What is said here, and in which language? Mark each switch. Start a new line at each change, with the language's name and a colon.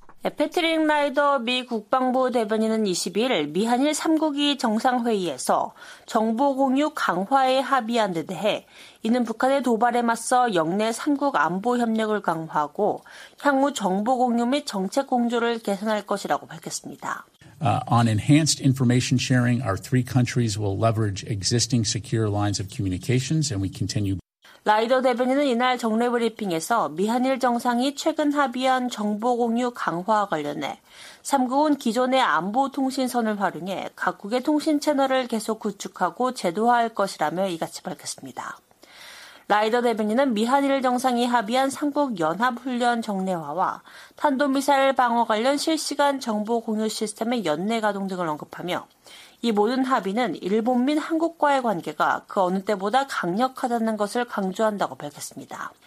Korean: 패트릭 라이더 미 국방부 대변인은 22일 미 한일 3국이 정상회의에서 정보 공유 강화에 합의한 데 대해 이는 북한의 도발에 맞서 역내 3국 안보 협력을 강화하고 향후 정보 공유 및 정책 공조를 개선할 것이라고 밝혔습니다.
English: On enhanced information sharing, our three countries will leverage existing secure lines of communications and we continue
Korean: 라이더 대변인은 이날 정례 브리핑에서 미한일 정상이 최근 합의한 정보 공유 강화와 관련해 3국은 기존의 안보 통신선을 활용해 각국의 통신 채널을 계속 구축하고 제도화할 것이라며 이같이 밝혔습니다. 라이더 대변인은 미한일 정상이 합의한 3국 연합훈련 정례화와 탄도미사일 방어 관련 실시간 정보 공유 시스템의 연내 가동 등을 언급하며 이 모든 합의는 일본 및 한국과의 관계가 그 어느 때보다 강력하다는 것을 강조한다고 밝혔습니다.